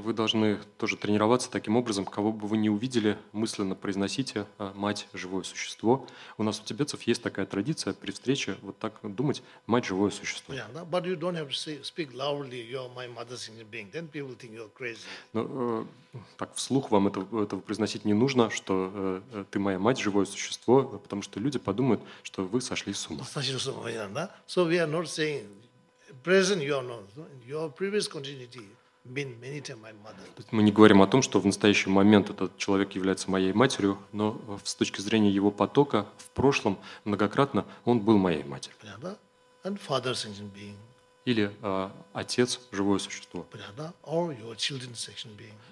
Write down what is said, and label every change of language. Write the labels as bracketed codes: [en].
[ru] Вы должны тоже тренироваться таким образом, кого бы вы ни увидели, мысленно произносите «мать, живое существо». У нас у тибетцев есть такая традиция при встрече вот так думать «мать, живое существо». [en] Yeah, but you don't have to speak loudly, you're my mother sentient being. Then people think you're crazy. [ru] Но так вслух вам этого произносить не нужно, что ты моя мать, живое существо, потому что люди подумают, что вы сошли с ума. Сошли с ума, понятно, да? [en] So we are not saying present you are not. Your previous continuity been many times my mother. [ru] Мы не говорим о том, что в настоящий момент этот человек является моей матерью, но с точки зрения его потока в прошлом многократно он был моей матерью. Понятно, да? [en] And father sentient being. [ru] Или отец, живое существо. Понятно, да? [en] Or your children sentient being.